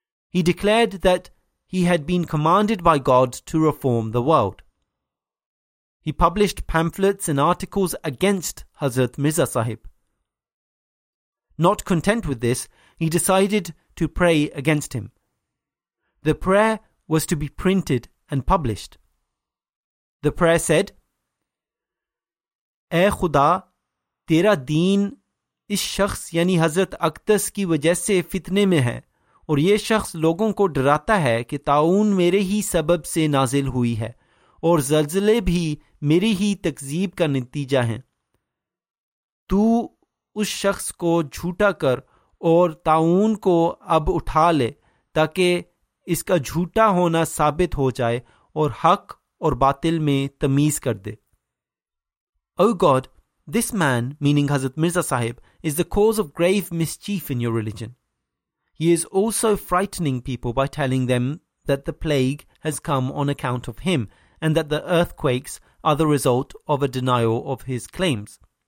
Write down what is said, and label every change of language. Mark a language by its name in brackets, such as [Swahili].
[English] He declared that he had been commanded by God to reform the world. He published pamphlets and articles against Hazrat Mirza Sahib. Not content with this, he decided to pray against him. The prayer was to be printed and published. The prayer said, [Urdu] "اے خدا, تیرا دین اس شخص یعنی حضرت اقدس کی وجہ سے فتنے میں ہے اور یہ شخص لوگوں کو ڈراتا ہے کہ طاعون میرے ہی سبب سے نازل ہوئی ہے اور زلزلے بھی میری ہی تکذیب کا نتیجہ ہے. تو اس شخص کو جھوٹا کر اور طاعون کو اب اٹھا لے تاکہ اسکا جھوٹا ہونا ثابت ہو جائے اور حق اور باطل میں تمیز کر دے. [English] O God, this man, meaning Hazrat Mirza Sahib, is the cause of grave mischief in your religion. He is also frightening people by telling them that the plague has come on account of him and that the earthquakes are the result of a denial of his claims.